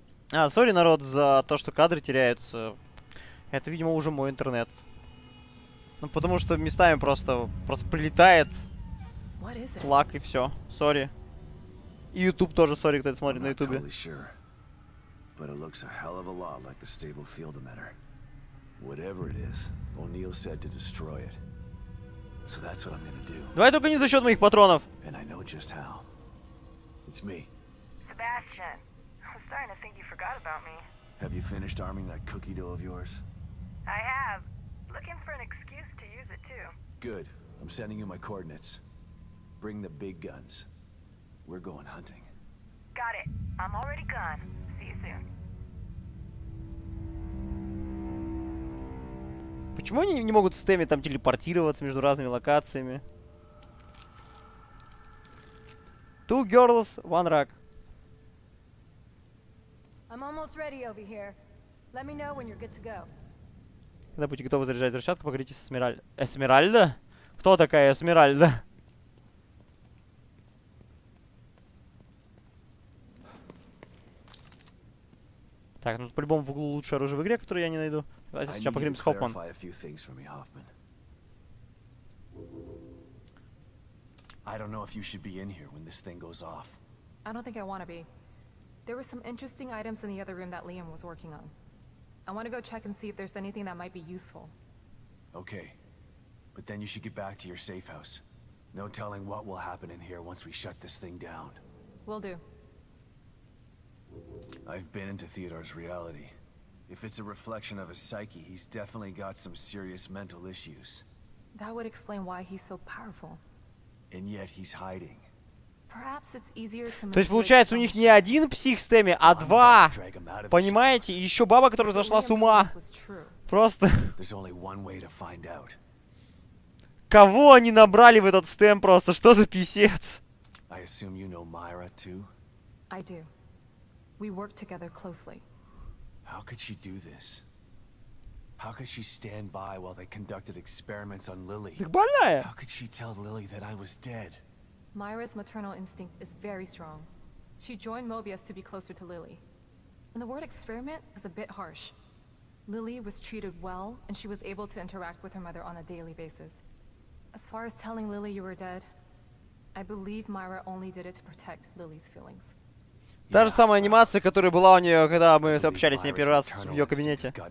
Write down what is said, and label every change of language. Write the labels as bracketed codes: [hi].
[ru] А, сори, народ, за то, что кадры теряются. Это, видимо, уже мой интернет. Ну, потому что местами просто прилетает лаг и все. Сори. И YouTube тоже, сори, кто это смотрит на YouTube. [en] But it looks a hell of a lot like the stable field emitter. Whatever it is, O'Neill said to destroy it. So that's what I'm gonna do. [ru] Давай только не за счет моих патронов. [en] And I know just how. It's me. Sebastian, I'm starting to think you forgot about me. Have you finished arming that cookie dough of yours? I have. Looking for an excuse to use it too. Good. I'm sending you my coordinates. Bring the big guns. We're going hunting. Got it. I'm already gone. [ru] Почему они не могут с Тэмми там телепортироваться между разными локациями? [en] Two girls, one rock. I'm almost ready over here. Let me know when you're good to go. [ru] Когда будете готовы заряжать взрывчатку, поговорите с Эсмеральдой. Эсмеральда? Кто такая Эсмеральда? Так, ну по-любому в углу лучшее оружие в игре, которое я не найду. Давайте сейчас поговорим с Хоффман. [en] Hoffman. I don't know if you should be in here when this thing goes off. I don't think I want to be. There were some interesting items in the other room that Liam was working on. I want to go check and see if there's anything that might be useful. Okay. But then you should get back to your safe house. No telling what will happen in here once we shut this thing down. Will do. I've been into Theodore's reality. If it's a reflection of his psyche, he's definitely got some serious mental issues. That would explain why he's so powerful. And yet he's hiding. Perhaps it's easier to... [ru] То есть получается, у них не один псих с Тэмми, а два. Понимаете? И еще баба, которая зашла с ума. Просто... [en] There's only one way to find out. [ru] Кого они набрали в этот стэм просто? Что за писец? [en] I assume you know Myra too? I do. We work together closely. How could she do this? How could she stand by while they conducted experiments on Lily? How could she tell Lily that I was dead? Myra's maternal instinct is very strong. She joined Mobius to be closer to Lily. And the word experiment is a bit harsh. Lily was treated well, and she was able to interact with her mother on a daily basis. As far as telling Lily you were dead, I believe Myra only did it to protect Lily's feelings. [ru] Та же самая анимация, которая была у нее, когда мы общались с ней первый раз в ее кабинете.